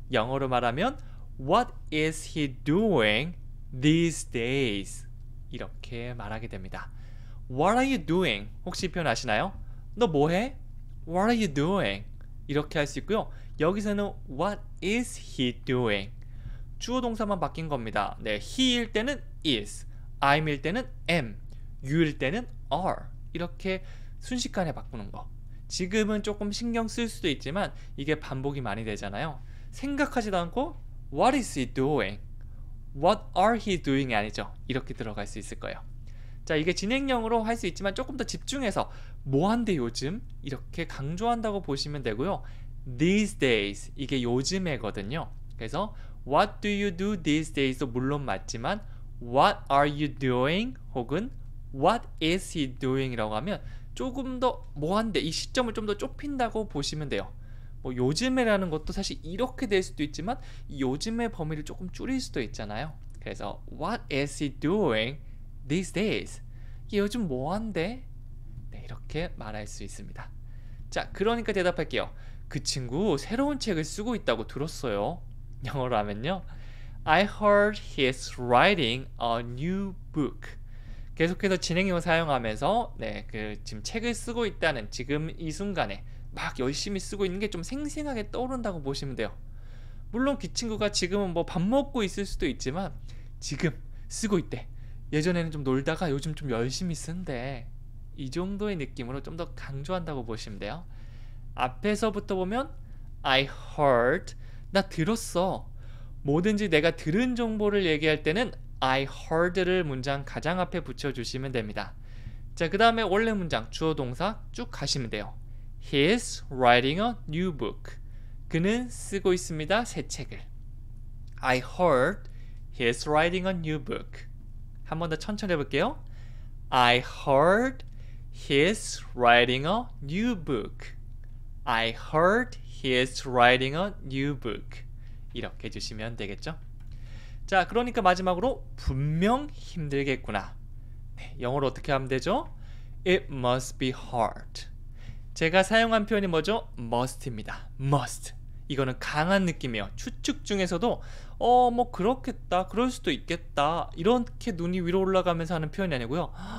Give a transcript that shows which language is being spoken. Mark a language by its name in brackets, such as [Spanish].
[Korean] 영어로 말하면, [English] What is he doing these days? [Korean] 이렇게 말하게 됩니다. [English] What are you doing? [Korean] 혹시 표현 아시나요? 너뭐 해? What are you doing? 이렇게 할수 있고요. 여기서는 [English] What is he doing? [Korean] 주어 동사만 바뀐 겁니다. 네, he일 때는 is, I'm일 때는 am, you일 때는 are. 이렇게 순식간에 바꾸는 거. 지금은 조금 신경 쓸 수도 있지만 이게 반복이 많이 되잖아요. 생각하지도 않고 [English] What is he doing? What are he doing이 [Korean] 아니죠. 이렇게 들어갈 수 있을 거예요. 자, 이게 진행형으로 할수 있지만 조금 더 집중해서 뭐 한대 요즘? 이렇게 강조한다고 보시면 되고요. These days, 이게 요즘에거든요. 그래서 [English] What do you do these days도 [Korean] 물론 맞지만 [English] What are you doing? [Korean] 혹은 [English] What is he doing? [Korean] 이라고 하면 조금 더 뭐한데 이 시점을 좀더 좁힌다고 보시면 돼요. 뭐 요즘에라는 것도 사실 이렇게 될 수도 있지만 요즘의 범위를 조금 줄일 수도 있잖아요. 그래서 [English] What is he doing these days? [Korean] 이게 요즘 뭐한데? 네, 이렇게 말할 수 있습니다. 자, 그러니까 대답할게요. 그 친구 새로운 책을 쓰고 있다고 들었어요. 영어로 하면요. [English] I heard he's writing a new book. [Korean] 계속해서 진행형 사용하면서, 네, 그 지금 책을 쓰고 있다는 지금 이 순간에 막 열심히 쓰고 있는 게좀 생생하게 떠오른다고 보시면 돼요. 물론 그 친구가 지금은 뭐밥 먹고 있을 수도 있지만, 지금 쓰고 있대. 예전에는 좀 놀다가 요즘 좀 열심히 쓴대. 이 정도의 느낌으로 좀더 강조한다고 보시면 돼요. 앞에서부터 보면 I heard 나 들었어. 뭐든지 내가 들은 정보를 얘기할 때는 I heard를 문장 가장 앞에 붙여 주시면 됩니다. 자, 그 다음에 원래 문장 주어 동사 쭉 가시면 돼요. [English] He is writing a new book. [Korean] 그는 쓰고 있습니다. 새 책을. [English] I heard he is writing a new book. [Korean] 한 번 더 천천히 해볼게요. [English] I heard he is writing a new book. I heard he is writing a new book. [Korean] 이렇게 해주시면 되겠죠? 자, 그러니까 마지막으로 분명 힘들겠구나. 네, 영어로 어떻게 하면 되죠? [English] It must be hard. [Korean] 제가 사용한 표현이 뭐죠? [English] Must입니다. Must. [Korean] 이거는 강한 느낌이에요. 추측 중에서도 뭐 그렇겠다, 그럴 수도 있겠다 이렇게 눈이 위로 올라가면서 하는 표현이 아니고요.